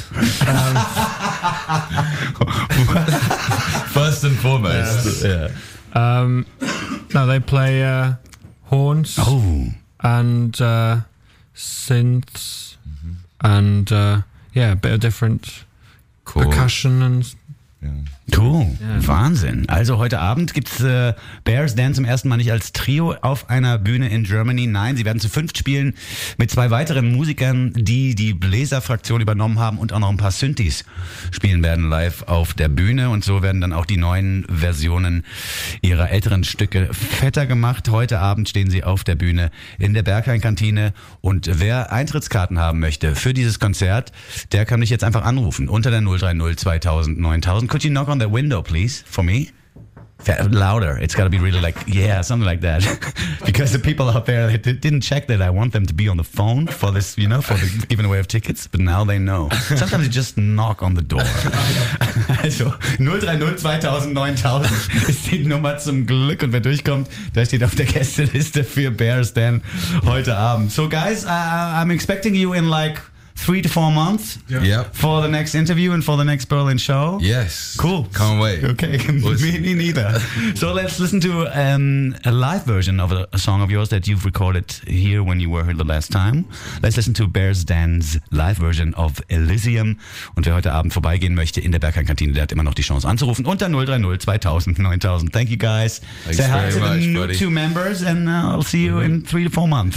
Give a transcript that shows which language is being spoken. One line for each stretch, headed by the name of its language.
English: First and foremost. Yes. Yeah. They play horns and synths and, a bit of different percussion and... Yeah.
German: Cool, ja. Wahnsinn. Also heute Abend gibt es Bears Dance zum ersten Mal nicht als Trio auf einer Bühne in Germany. Nein, sie werden zu fünft spielen mit zwei weiteren Musikern, die die Bläserfraktion übernommen haben und auch noch ein paar Synthies spielen werden live auf der Bühne. Und so werden dann auch die neuen Versionen ihrer älteren Stücke fetter gemacht. Heute Abend stehen sie auf der Bühne in der Berghain-Kantine. Und wer Eintrittskarten haben möchte für dieses Konzert, der kann mich jetzt einfach anrufen unter der 030-2000-9000.
English: Could you knock on that window, please, for me? Louder. It's got to be really like, yeah, something like that. Because the people out there didn't check that I want them to be on the phone for this, you know, for the giving away of tickets. But now they know. Sometimes you just knock on the door.
German: Also 030-2000-9000 ist die Nummer zum Glück. Und wer durchkommt, der steht auf der Gästeliste für Bears Den heute Abend.
English: So, guys, I'm expecting you in like 3 to 4 months for the next interview and for the next Berlin show. Yes. Cool. Can't wait. Okay. Me neither. So let's listen to a live version of a song of yours that you've recorded here when you were here the last time. Let's listen to Bears Den's live version of Elysium.
German: Und wer heute Abend vorbeigehen möchte in der Berghain-Kantine, der hat immer noch die Chance anzurufen unter 030-2000-9000.
English: Thank you, guys. Thanks Say hi very to much, the new buddy. Two members, and I'll see you in 3 to 4 months.